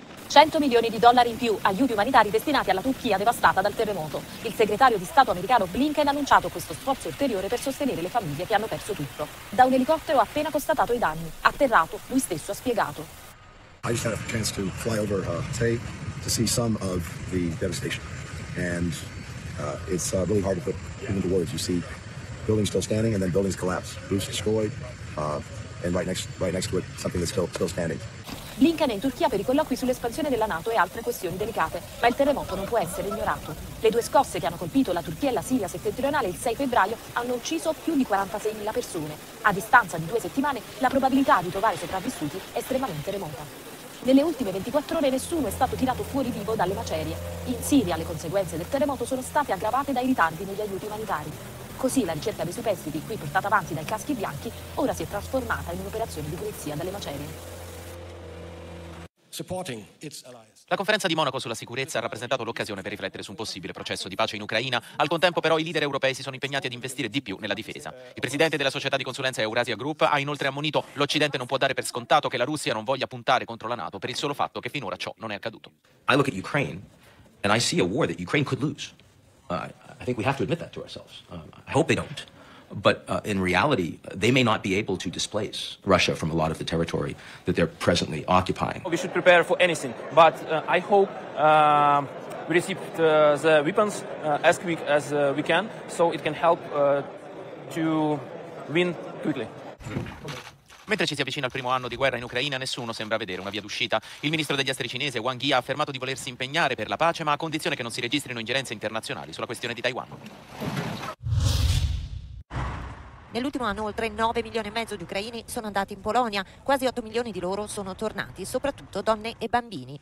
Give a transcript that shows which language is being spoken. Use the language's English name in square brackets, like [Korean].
[Italian] $100 milioni in più, aiuti umanitari destinati alla Turchia devastata dal terremoto. Il segretario di Stato americano Blinken ha annunciato questo sforzo ulteriore per sostenere le famiglie che hanno perso tutto. Da un elicottero ha appena constatato i danni. Atterrato, lui stesso ha spiegato. [English] I just had a chance to fly over today to see some of the devastation. And it's really hard to put into words. You see buildings still standing and then buildings collapse, roofs destroyed, and right next to it something that's still standing. [Italian] Blinken è in Turchia per i colloqui sull'espansione della NATO e altre questioni delicate, ma il terremoto non può essere ignorato. Le due scosse che hanno colpito la Turchia e la Siria settentrionale il 6 febbraio hanno ucciso più di 46.000 persone. A distanza di due settimane, la probabilità di trovare sopravvissuti è estremamente remota. Nelle ultime 24 ore nessuno è stato tirato fuori vivo dalle macerie. In Siria le conseguenze del terremoto sono state aggravate dai ritardi negli aiuti umanitari. Così la ricerca dei superstiti, qui portata avanti dai caschi bianchi, ora si è trasformata in un'operazione di pulizia dalle macerie. La conferenza di Monaco sulla sicurezza ha rappresentato l'occasione per riflettere su un possibile processo di pace in Ucraina. Al contempo però i leader europei si sono impegnati ad investire di più nella difesa. Il presidente della società di consulenza Eurasia Group ha inoltre ammonito: l'Occidente non può dare per scontato che la Russia non voglia puntare contro la NATO per il solo fatto che finora ciò non è accaduto. [English] I look at Ukraine and I see a war that Ukraine could lose. I think we have to admit that to ourselves. I hope they don't. But in reality, they may not be able to displace Russia from a lot of the territory that they're presently occupying. We should prepare for anything, but I hope we receive the weapons as quick as we can, so it can help to win quickly. [Italian] Mentre ci si avvicina al primo anno di guerra in Ucraina, nessuno sembra vedere una via d'uscita. Il ministro degli esteri cinese Wang Yi ha affermato di volersi impegnare per la pace, ma a condizione che non si registrino ingerenze internazionali sulla questione di Taiwan. Nell'ultimo anno oltre 9 milioni e mezzo di ucraini sono andati in Polonia, quasi 8 milioni di loro sono tornati, soprattutto donne e bambini.